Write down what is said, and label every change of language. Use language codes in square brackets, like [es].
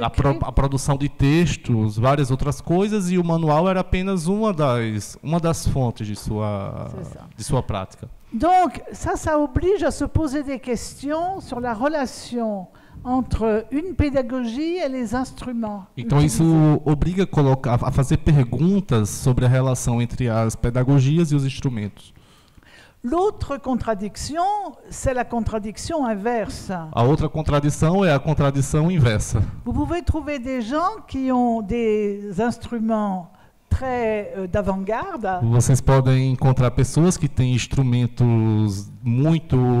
[pt] a produção de textos, várias outras coisas, e o manual era apenas uma das fontes de sua prática. [fr] Donc, ça oblige à se poser des questions sur la relation entre une pédagogie et les instruments. [pt] Então isso obriga a fazer perguntas sobre a relação entre as pedagogias e os instrumentos. [fr] L'autre contradiction, c'est la contradiction inverse. [pt] A outra contradição é a contradição inversa. [fr] Vous pouvez trouver des gens qui ont des instruments très d'avant-garde. [pt] Vocês podem encontrar pessoas que têm instrumentos muito